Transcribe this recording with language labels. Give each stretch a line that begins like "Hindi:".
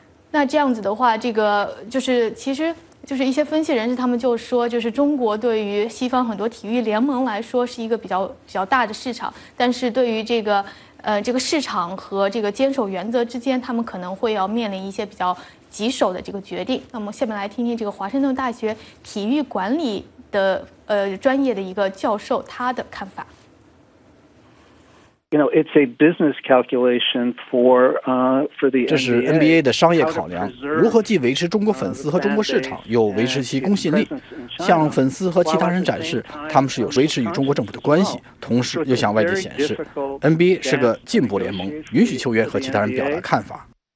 Chinese: 那这样子的话，这个就是其实就是一些分析人士他们就说，就是中国对于西方很多体育联盟来说是一个比较大的市场，但是对于这个市场和这个坚守原则之间，他们可能会要面临一些比较棘手的这个决定。那么下面来听听这个华盛顿大学体育管理的专业的一个教授他的看法。
English: You know, it's a business calculation for the NBA.
Chinese: 这是 NBA 的商业考量，如何既维持中国粉丝和中国市场，又维持其公信力，向粉丝和其他人展示他们是有维持与中国政府的关系，同时又向外界显示 NBA 是个进步联盟，允许球员和其他人表达看法。